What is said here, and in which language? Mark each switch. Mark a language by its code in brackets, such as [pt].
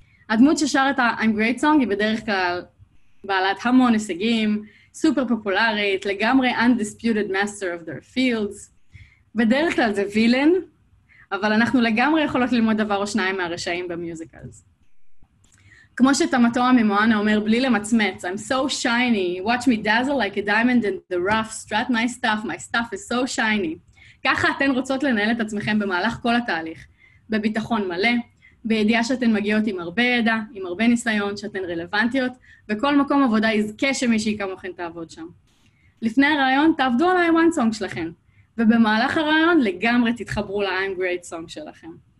[he] הדמות ששר את ה-I'm Great Song היא בדרך כלל בעלת המון הישגים, סופר פופולרית, לגמרי [en] undisputed master of their fields, [he] בדרך כלל זה וילן, אבל אנחנו לגמרי יכולות ללמוד דבר או שניים מהרשעים במיוזיקלס. כמו שתמתו הממואנה אומר בלי למצמץ, [en] I'm so shiny, watch me dazzle like a diamond in the rough, strut my stuff is so shiny. [he] ככה אתן רוצות לנהל את עצמכם במהלך כל התהליך, בביטחון מלא, בידיעה שאתן מגיעות עם הרבה ידע, עם הרבה ניסיון, שאתן רלוונטיות, וכל מקום עבודה יזכה שמישהי כמוכן תעבוד שם. לפני הרעיון, תעבדו על ה-I Want Song שלכן. ובמהלך הרעיון לגמרי תתחברו ל-I'm Great Song שלכם.